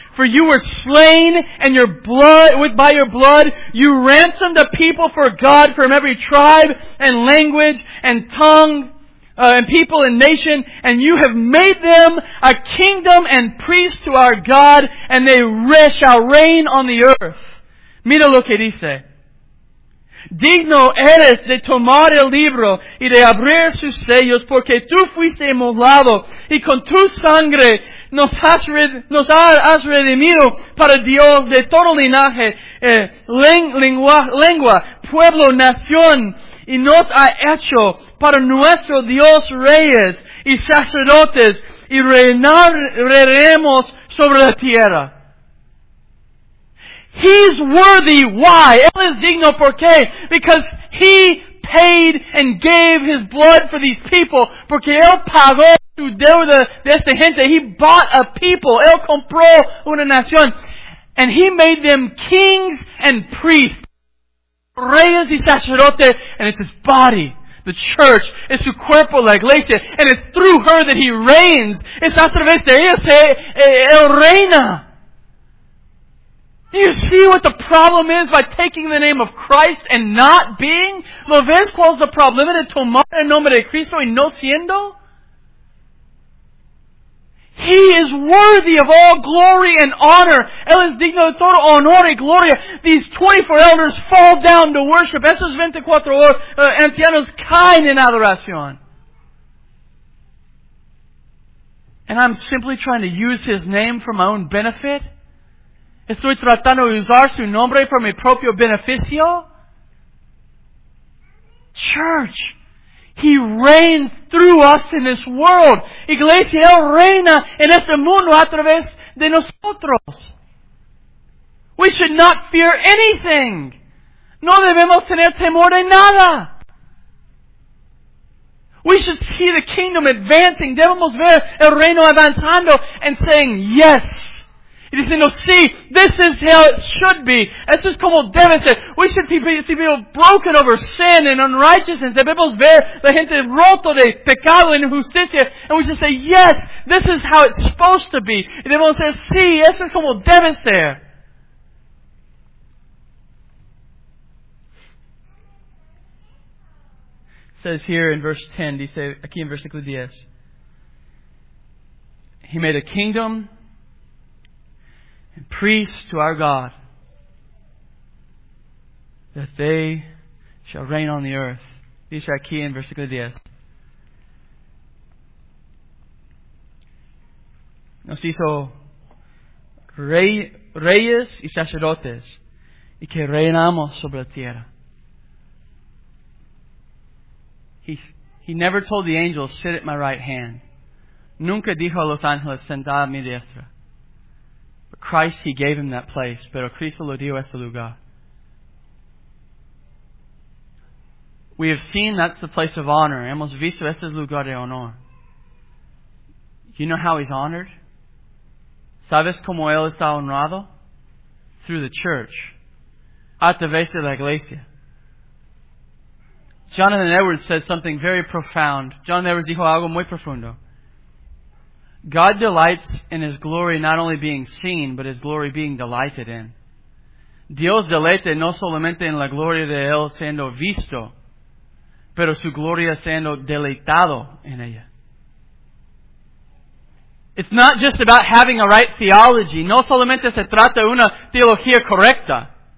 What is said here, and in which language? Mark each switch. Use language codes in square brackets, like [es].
[en] For you were slain, and by your blood, you ransomed the people for God from every tribe and language and tongue and people and nation. And you have made them a kingdom and priests to our God, and they shall reign on the earth. [es] Mira lo que dice. Digno eres de tomar el libro y de abrir sus sellos, porque tú fuiste inmolado y con tu sangre nos has redimido para Dios de todo linaje, lengua, pueblo, nación, y nos ha hecho para nuestro Dios reyes y sacerdotes, y reinaremos sobre la tierra. [en] He's worthy. Why? [es] Él es digno. ¿Por qué? [en] Because he paid and gave his blood for these people. [es] Porque él pagó su deuda de esta gente. [en] He bought a people. [es] Él compró una nación. [en] And he made them kings and priests. [es] Reyes y sacerdotes. [en] And it's his body. The church is [es] su cuerpo, la iglesia. [en] And it's through her that he reigns. [es] Es a través de ella él reina. [en] Do you see what the problem is by taking the name of Christ and not being? [es] ¿Lo ves cuál es el problema de tomar el nombre de Cristo y no siendo? [en] He is worthy of all glory and honor. [es] Él es digno de todo honor y gloria. [en] These 24 elders fall down to worship. [es] Esos 24 ancianos caen en adoración. [en] And I'm simply trying to use his name for my own benefit. [es] Estoy tratando de usar su nombre para mi propio beneficio. [en] Church. He reigns through us in this world. [es] Iglesia, Él reina en este mundo a través de nosotros. [en] We should not fear anything. [es] No debemos tener temor de nada. [en] We should see the kingdom advancing. [es] Debemos ver el reino avanzando [en] and saying yes. [es] Y diciendo, sí, [en] this is how it should be. [es] Esto es como debe ser. [en] We should see people broken over sin and unrighteousness. [es] Debemos ver la gente roto de pecado e injusticia. [en] And we should say, yes, this is how it's supposed to be. [es] Y debemos decir, sí, esto es como debe ser. [en] It says here in verse 10, [es] dice aquí en versículo 10. [en] He made a kingdom and priests to our God, that they shall reign on the earth. These are key in versículo 10. [es] Nos hizo reyes y sacerdotes, y que reinamos sobre la tierra. [en] He never told the angels, sit at my right hand. [es] Nunca dijo a los ángeles, sentad a mi diestra. [en] Christ, he gave him that place. [es] Pero Cristo lo dio ese lugar. [en] We have seen that's the place of honor. [es] Hemos visto ese lugar de honor. [en] You know how he's honored? [es] ¿Sabes cómo él está honrado? [en] Through the church. [es] A través de la iglesia. [en] Jonathan Edwards said something very profound. [es] Jonathan Edwards dijo algo muy profundo. [en] God delights in His glory not only being seen, but His glory being delighted in. [es] Dios deleita no solamente en la gloria de Él siendo visto, pero su gloria siendo deleitado en ella. [en] It's not just about having a right theology. [es] No solamente se trata de una teología correcta.